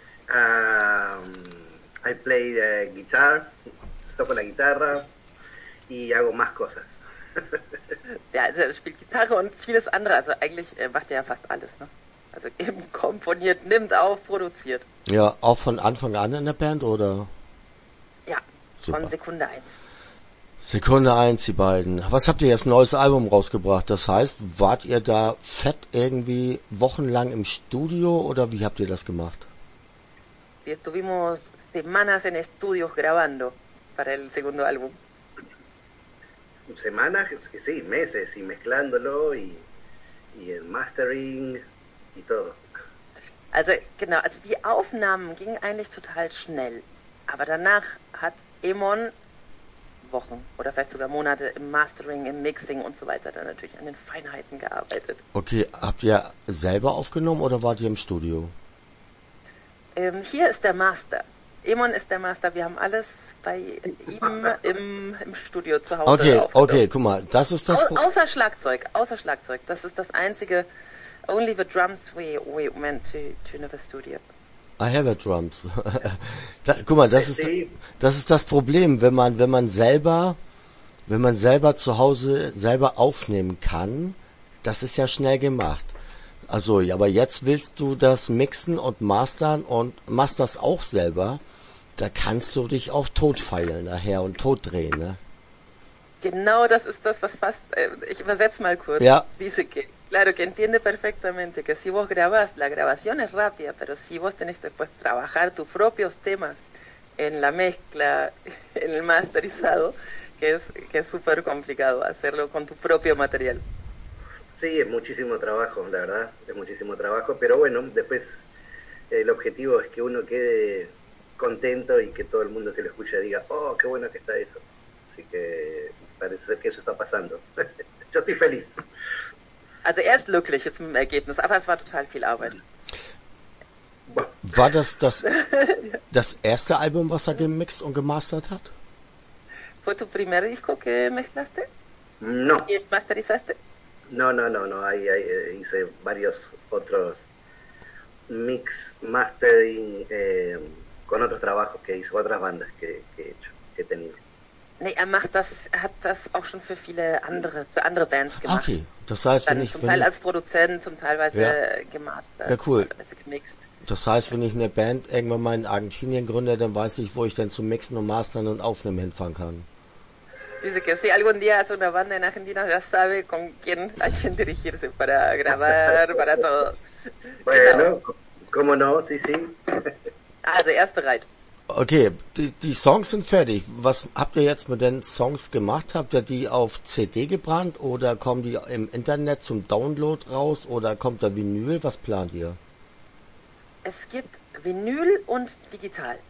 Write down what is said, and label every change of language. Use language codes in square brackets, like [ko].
[en] I play the guitar, [es] toco la guitarra y hago más cosas. [de] Ja, also er spielt Gitarre und vieles andere, also eigentlich macht er ja fast alles, ne? Also eben komponiert, nimmt auf, produziert. Ja, auch von Anfang an in der Band, oder? Ja, super. Von Sekunde 1. Sekunde 1, die beiden. Was habt ihr jetzt neues Album rausgebracht? Das heißt, wart ihr da fett irgendwie wochenlang im Studio oder wie habt ihr das gemacht? Wir [es] estuvimos semanas en estudios grabando para el segundo álbum. Semanas, sí, meses, y mezclándolo y el mastering y todo. [de] Also, genau, also die Aufnahmen gingen eigentlich total schnell, aber danach hat Emon Wochen oder vielleicht sogar Monate im Mastering, im Mixing und so weiter dann natürlich an den Feinheiten gearbeitet. Okay, habt ihr selber aufgenommen oder wart ihr im Studio? Hier ist der Master. Emon ist der Master, wir haben alles bei ihm im Studio zu Hause. Okay, okay, guck mal, das ist das Außer Schlagzeug, außer Schlagzeug. Das ist das einzige. [en] Only the drums we went to another studio. I have a drums. [de] Da, guck mal, das ist das Problem, wenn man selber zu Hause selber aufnehmen kann, das ist ja schnell gemacht. Also, ja, aber jetzt willst du das mixen und mastern und machst das auch selber, da kannst du dich auch totfeilen nachher und totdrehen, ne? Genau, das ist das, was fast, ich übersetze mal kurz. Ja. [es] Dice que, claro, que entiende perfectamente que si vos grabas, la grabación es rápida, pero si vos tenés después trabajar tus propios temas en la mezcla, en el masterizado, que es super complicado hacerlo con tu propio material. Sí, es muchísimo trabajo, la verdad, es muchísimo trabajo, pero bueno, después el objetivo es que uno quede contento y que todo el mundo que lo escuche diga, oh, qué bueno que está eso, así que parece que eso está pasando, yo estoy feliz. [de] Also er ist glücklich jetzt mit dem Ergebnis, aber es war total viel Arbeit. War das erste Album, was er gemixt und gemastert hat? [es] ¿Fue tu primer disco que mezclaste? No. ¿Y masterizaste? No, ahí hice varios otros mix, mastering, con otros trabajos que hice, otras bandas que he hecho, que he tenido. [de] Nee, er hat das auch schon für viele andere, für andere Bands gemacht. Okay, das heißt, dann wenn ich... Zum Teil als Produzent, zum Teil ja. Gemastert. Ja, cool. Das heißt, wenn ich eine Band irgendwann mal in Argentinien gründe, dann weiß ich, wo ich dann zum Mixen und Mastern und Aufnehmen hinfahren kann. [es] Dice que si algún día hace una banda en Argentina ya sabe con quién a quién dirigirse para grabar, para todo. Bueno, cómo no, sí, sí. [de] Also, er ist bereit. Okay, die Songs sind fertig. Was habt ihr jetzt mit den Songs gemacht? Habt ihr die auf CD gebrannt oder kommen die im Internet zum Download raus oder kommt da Vinyl? Was plant ihr? Es gibt Vinyl und digital.